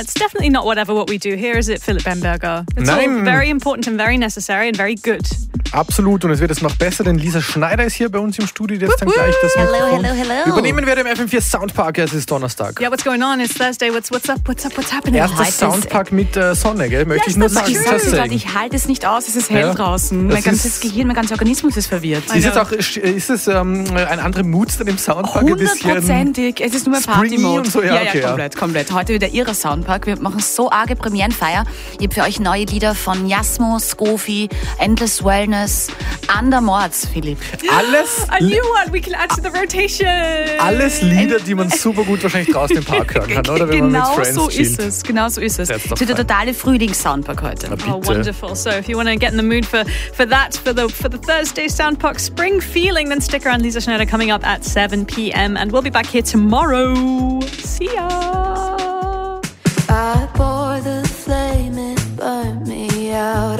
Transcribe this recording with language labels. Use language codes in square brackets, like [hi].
[en] It's definitely not whatever what we do here, is it, Philipp Bamberger? [de] Nein. [en] All very important and very necessary and very good. [de] Absolut. Und es wird es noch besser, denn Lisa Schneider ist hier bei uns im Studio, die jetzt dann gleich das Mikrofon. [en] Hello. [de] Übernehmen wir im FM4 Soundpark, es ist Donnerstag. [en] Yeah, what's going on? It's Thursday. What's happening? [de] Erstes Soundpark mit Sonne, gell? Möchte ich nur sagen. Ich halte es nicht aus, es ist hell draußen. Mein ganzes Gehirn, mein ganzer Organismus ist verwirrt. Ist es ein anderer Mood dann im Soundpark? 100%ig. Es ist nur mein Party-Mode. So, ja, okay, komplett. Heute wieder ihre Soundpark. Wir machen so arge Premierenfeier. Ich habe für euch neue Lieder von Jasmo, Scofi, Endless Wellness, Andermords, Philipp. Alles? [en] A new one, we can add to the rotation. [de] Alles Lieder, die man super gut wahrscheinlich draußen im Park hören kann, oder? Wenn genau man mit so ist es. Genau so ist es. Es wird der totale Frühlings-Soundpark heute. [en] Oh, wonderful. So, if you want to get in the mood for the Thursday Soundpark Spring Feeling, then stick around. Lisa Schneider coming up at 7 p.m. And we'll be back here tomorrow. See ya. I pour the flame, it burnt me out.